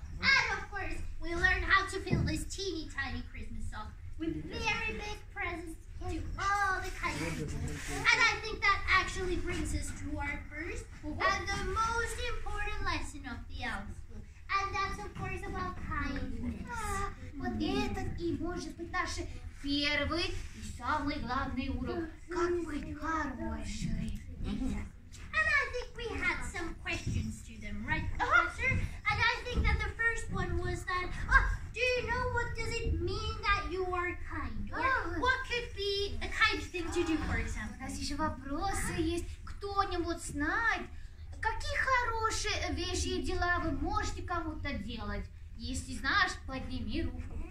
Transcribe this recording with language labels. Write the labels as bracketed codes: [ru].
[en] And, of course, we learn how to fill this teeny tiny Christmas sock with very big presents to all the kind people. And I think that actually brings us to our first and the most important lesson of the elves. And that's, of course, about kindness. [ru] Вот это и может быть наш первый и самый главный урок. Как быть хорошей. [en] And I think we had some questions to them, right, Professor? And I think that the first one was that, do you know what does it mean that you are kind? Or what could be a kind thing to do, for example? [ru] У нас еще вопросы есть. Кто-нибудь знает? Какие хорошие вещи и дела вы можете кому-то делать? Если знаешь, подними руку.